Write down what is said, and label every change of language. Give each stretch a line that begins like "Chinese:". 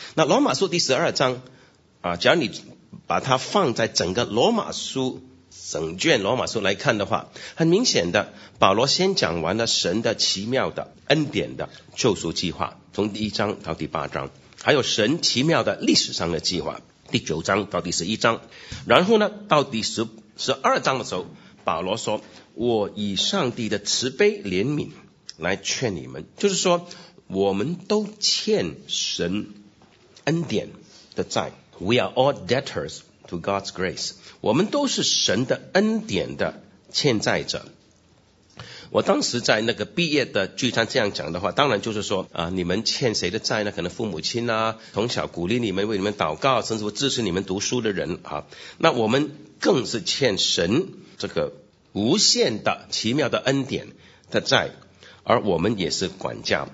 Chinese: 那罗马书第十二章啊，只要你把它放在整个罗马书整卷罗马书来看的话，很明显的，保罗先讲完了神的奇妙的恩典的救赎计划，从第一章到第八章，还有神奇妙的历史上的计划。第九章到第十一章，然后呢，到第十二章的时候，保罗说：“我以上帝的慈悲怜悯来劝你们，就是说，我们都欠神恩典的债。
English: We are all debtors to God's grace。
Chinese: 我们都是神的恩典的欠债者。” 我当时在那个毕业的聚餐这样讲的话，当然就是说啊，你们欠谁的债呢？可能父母亲啊，从小鼓励你们，为你们祷告，甚至支持你们读书的人啊。那我们更是欠神这个无限的奇妙的恩典的债，而我们也是管家。